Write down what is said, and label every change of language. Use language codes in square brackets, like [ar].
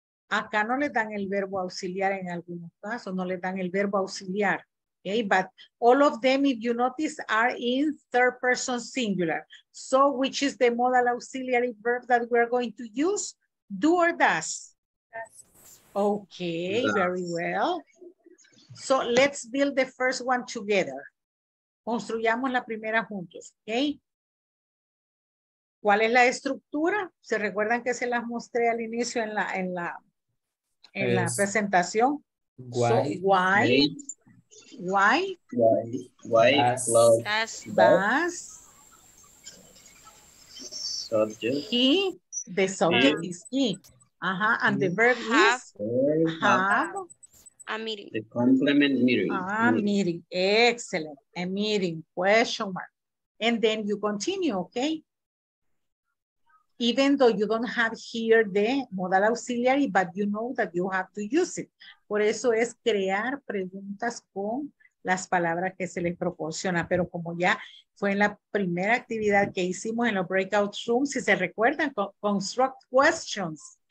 [es] Acá no le dan el verbo auxiliar en algunos casos, no le dan el verbo auxiliar. [en] Okay, but all of them, if you notice, are in third person singular. So which is the modal auxiliary verb that we're going to use? Do or does? Okay, does. Very well. So let's build the first one together. [es] Construyamos la primera juntos, [en] okay? [es] ¿Cuál es la estructura? ¿Se recuerdan que se las mostré al inicio en la, en la, en la presentación? [en] Why? Uh-huh. And the verb is have a meeting. The complement meeting. Meeting. Excellent. A meeting. Question mark. And then you continue, okay? Even though you don't have here the modal auxiliary, but you know that you have to use it. [es] Por eso es crear preguntas con las palabras que se les proporciona. Pero como ya fue en la primera actividad que hicimos en los breakout rooms, si se recuerdan, [en] construct questions.